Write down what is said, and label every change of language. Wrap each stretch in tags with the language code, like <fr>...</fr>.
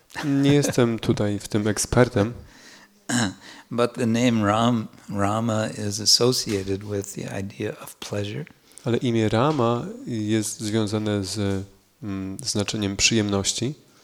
<pl>Nie jestem tutaj w tym ekspertem.</pl> <en>But the name Rama is associated with the idea of pleasure.</en> <pl>Ale imię Rama jest związane z znaczeniem przyjemności.</pl>